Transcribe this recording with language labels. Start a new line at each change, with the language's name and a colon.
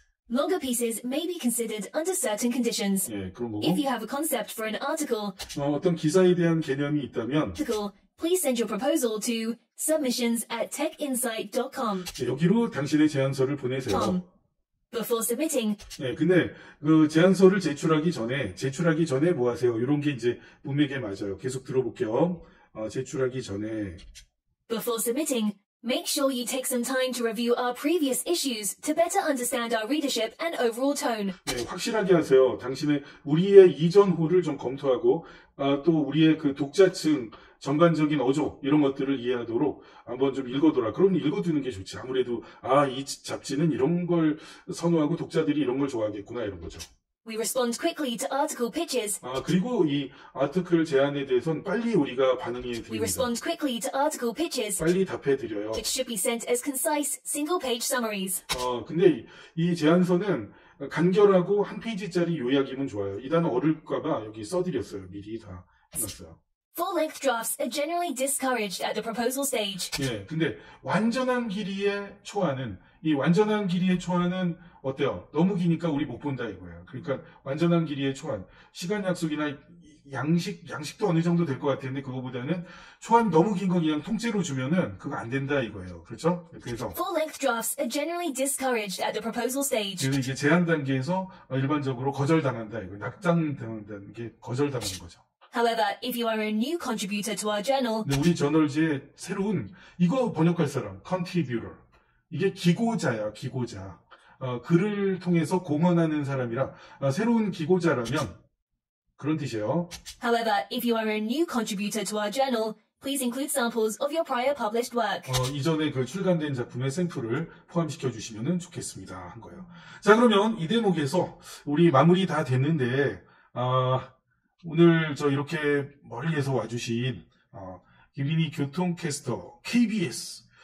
English: Longer pieces may be considered under certain conditions.
Korean: 예, 그런 거고.
English: If you have a concept for an article,
Korean: 어떤 기사에 대한 개념이 있다면,
English: article, please send your proposal to submissions@techinsight.com.
Korean: 예, 여기로 당신의 제안서를 보내세요.
English: Tom. Before submitting.
Korean: 예, 근데 그 제안서를 제출하기 전에 뭐 하세요? 이런 게 이제 문맥에 맞아요. 계속 들어볼게요. 제출하기 전에.
English: Before submitting. Make sure you take some time to review our previous issues to better understand our readership and overall tone.
Korean: 네, 확실하게 하세요. 당신의 우리의 이전호를 좀 검토하고 또 우리의 그 독자층 전반적인 어조 이런 것들을 이해하도록 한번 좀 읽어둬라. 그럼 읽어두는 게 좋지. 아무래도 아, 이 잡지는 이런 걸 선호하고 독자들이 이런 걸 좋아하겠구나 이런 거죠.
English: We respond quickly to article pitches.
Korean: 아, 그리고 이 아티클 제안에 대해서는 빨리 우리가 반응해 드립니다.
English: We respond quickly to article pitches.
Korean: 빨리 답해 드려요.
English: It should be sent as concise single page summaries.
Korean: 근데 이 제안서는 간결하고 한 페이지짜리 요약이면 좋아요. 이 단어 어려울까 봐 여기 써 드렸어요. 미리 다 해놨어요.
English: Full length drafts are generally discouraged at the proposal stage.
Korean: 예, 근데 완전한 길이의 초안은 이 완전한 길이의 초안은 어때요? 너무 기니까 우리 못 본다 이거예요. 그러니까 완전한 길이의 초안, 시간 약속이나 양식도 어느 정도 될 것 같은데 그거보다는 초안 너무 긴 거 그냥 통째로 주면은 그거 안 된다 이거예요. 그렇죠? 그래서
English: full-length drafts are generally discouraged at the proposal stage.
Korean: 그래서 이제 제안 단계에서 일반적으로 거절당한다 이거예요. 낙담당하는 게 거절당하는 거죠.
English: However, if you are a new contributor to our journal,
Korean: 우리 저널지에 새로운 이거 번역할 사람, contributor, 이게 기고자야, 기고자. 글을 통해서 공헌하는 사람이라 새로운 기고자라면 그런 뜻이에요.
English: However, if you are a new contributor to our journal, please include samples of your prior published work.
Korean: 이전에 그 출간된 작품의 샘플을 포함시켜 주시면 좋겠습니다. 한 거예요. 자, 그러면 이 대목에서 우리 마무리 다 됐는데 오늘 저 이렇게 멀리에서 와주신 김민희 교통캐스터 KBS.